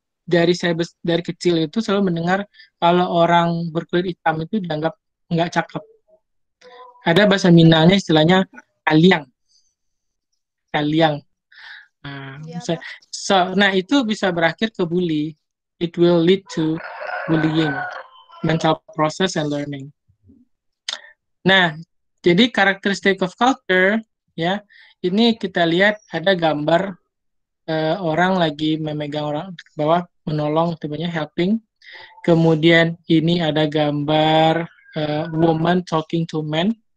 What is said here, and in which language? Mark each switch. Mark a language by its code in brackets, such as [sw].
[id] Dari kecil itu selalu mendengar kalau orang berkulit hitam itu dianggap nggak cakep. Ada bahasa Minangnya istilahnya kaliang. Nah itu bisa berakhir ke bully. [en] It will lead to bullying, mental process and learning. [id] Nah, jadi [en] characteristic of culture, [id] ya, ini kita lihat ada gambar orang lagi memegang orang bahwa menolong, tipenya helping. Kemudian ini ada gambar [en] woman talking to man.